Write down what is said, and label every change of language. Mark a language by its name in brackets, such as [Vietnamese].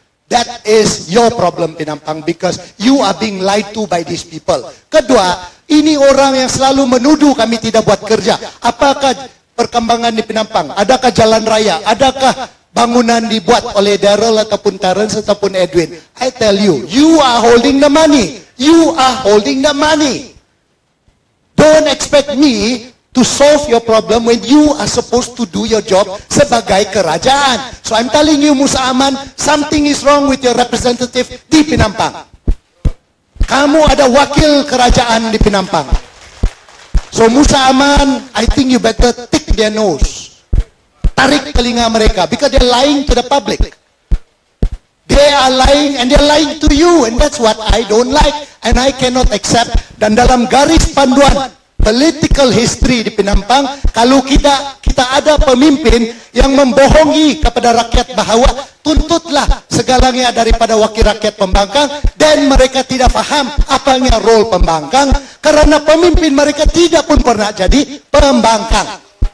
[English] That is your problem, Pinampang, because you are being lied to by these people. [Malay] Kedua, ini orang yang selalu menuduh kami tidak buat kerja. Apakah perkembangan di Pinampang? Adakah jalan raya? Adakah bangunan dibuat oleh Daryl ataupun Terence ataupun Edwin? [English] I tell you, you are holding the money. You are holding the money. Don't expect me to solve your problem when you are supposed to do your job [Malay] sebagai kerajaan. [English] So I'm telling you, Musa Aman, something is wrong with your representative [Malay] di Pinampang. Kamu ada wakil kerajaan di Pinampang. [English] So Musa Aman, I think you better tick their nose. [Malay] Tarik telinga mereka, [English] because they're lying to the public. They are lying and they're lying to you, and that's what I don't like and I cannot accept. [Malay] Dan dalam garis panduan political history di Pinampang, kalau kita ada pemimpin yang membohongi kepada rakyat bahwa tuntutlah segalanya daripada wakil rakyat pembangkang, dan mereka tidak faham apanya role pembangkang, karena pemimpin mereka tidak pun pernah jadi pembangkang.